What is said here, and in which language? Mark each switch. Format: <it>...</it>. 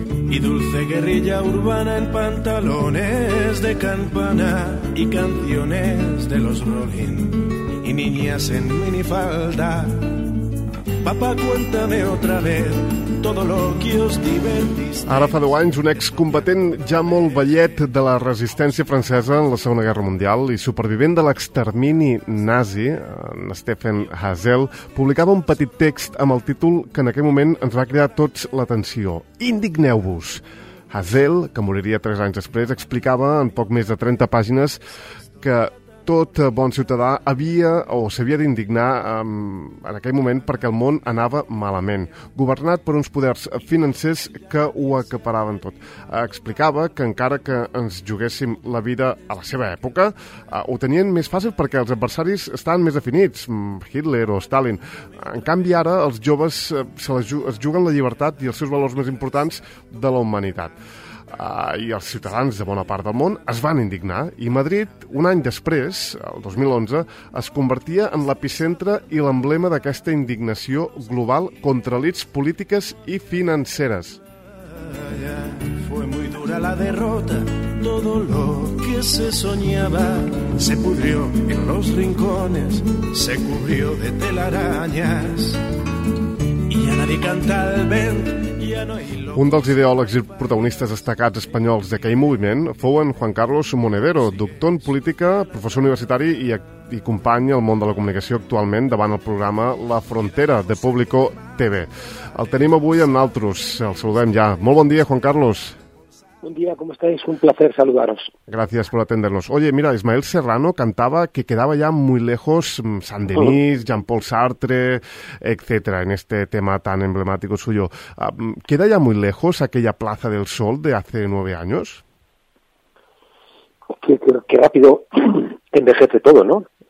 <es>y dulce guerrilla urbana en pantalones de campana y canciones de los Rolling y niñas en minifalda. Papá, cuéntame otra vez todo lo que os divertís.</es> <ca>Ara fa 10 anys, un excombatent ja molt vellet de la resistència francesa en la Segona Guerra Mundial i supervivent de l'extermini nazi, en Stephen Hazel, publicava un petit text amb el títol que en aquell moment ens va cridar tots l'atenció. Indigneu-vos. Hazel, que moriria 3 anys després, explicava en poc més de 30 pàgines que tot bon ciutadà havia o s'havia d'indignar en aquell moment perquè el món anava malament, governat per uns poders financers que ho acaparaven tot. Explicava que encara que ens juguéssim la vida a la seva època, ho tenien més fàcil perquè els adversaris estaven més definits, Hitler o Stalin. En canvi, ara els joves es juguen la llibertat i els seus valors més importants de la humanitat. I els ciutadans de bona part del món es van indignar i Madrid, un any després, el 2011, es convertia en l'epicentre i l'emblema d'aquesta indignació global contra elites polítiques i financeres.</ca> <es>Fue muy dura la derrota, todo lo que se soñaba se pudrió en los rincones, se cubrió de telarañas y a nadie canta el vent.</es> <ca>Un dels ideòlegs i protagonistes destacats espanyols d'aquell moviment fou en Juan Carlos Monedero, doctor en política, professor universitari i company al món de la comunicació actualment davant el programa La Frontera de Público TV. El tenim avui amb nosaltres, el saludem ja. Molt bon dia, Juan Carlos. Bon dia, com estàs?</ca> <es>Un placer saludaros.</es> <ca>Gràcies per atendre-nos.</ca> <es>Oye, mira, Ismael Serrano cantava que quedava ja muy lejos Saint Denis, Jean-Paul Sartre, etc., en este tema tan emblemático suyo. ¿Queda ya muy lejos aquella Plaza del Sol de hace 9 años? Qué rápido envejece todo, ¿no?</es>